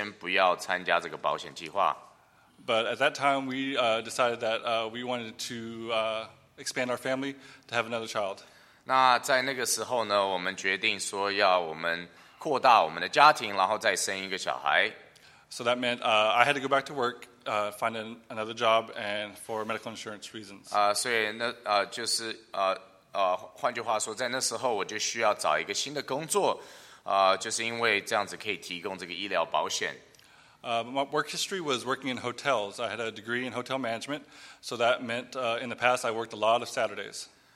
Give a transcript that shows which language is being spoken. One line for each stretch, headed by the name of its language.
Chinese: 所以由于我太太的工作呢，它是合约性的，所以它的保险是非常的贵。如果要参加保险计划的话，在那时候我们就决定说先不要参加这个保险计划。
English: But at that time, we decided that we wanted to expand our family to have another child.
Chinese: 那在那个时候呢, 我们决定说要我们扩大我们的家庭, 然后再生一个小孩。
English: So that meant I had to go back to work, find another job, and for medical insurance reasons.
Chinese: 所以那就是换句话说, 在那时候我就需要找一个新的工作, 就是因为这样子可以提供这个医疗保险。
English: My work history was working in hotels. I had a degree in hotel management, so that meant in the past I worked a lot of Saturdays.